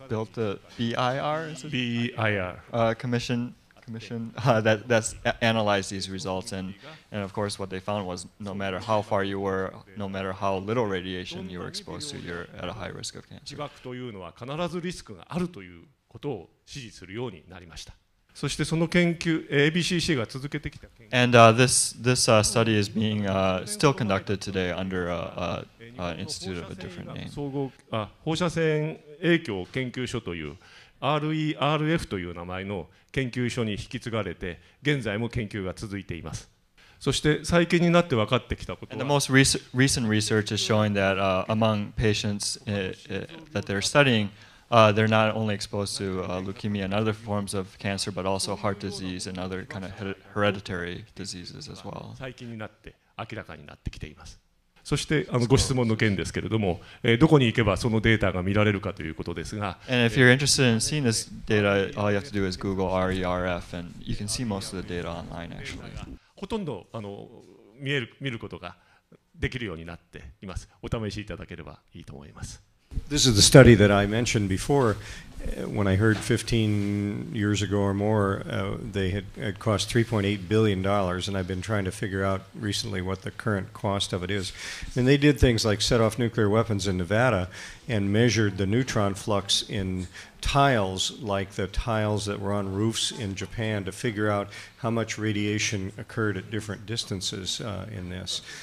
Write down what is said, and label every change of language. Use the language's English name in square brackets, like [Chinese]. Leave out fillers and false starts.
[English] built the commission that's analyzed these results, and of course what they found was no matter how far you were, no matter how little radiation you were exposed to, you're at a high risk of cancer. [Japanese] そしてその研究 ABCC が続けてきた研究 [English] And this study is being still conducted today under a institute of a different name. [Japanese] 総合放射線影響研究所という RERF という名前の研究所に引き継がれて、現在も研究が続いています。そして最近になって分かってきたことは、 [English] And the most recent research is showing that among patients that they're studying, they're not only exposed to leukemia and other forms of cancer, but also heart disease and other kind of hereditary diseases as well. [Japanese] 最近になって明らかになってきています。そしてご質問の件ですけれども、どこに行けばそのデータが見られるかということですが、 [English] And if you're interested in seeing this data, all you have to do is Google RERF, and you can see most of the data online, actually. [Japanese] ほとんど見ることができるようになっています。お試しいただければいいと思います。 [English] This is the study that I mentioned before. When I heard 15 years ago or more, they had cost $3.8 billion, and I've been trying to figure out recently what the current cost of it is. And they did things like set off nuclear weapons in Nevada and measured the neutron flux in tiles, like the tiles that were on roofs in Japan, to figure out how much radiation occurred at different distances in this.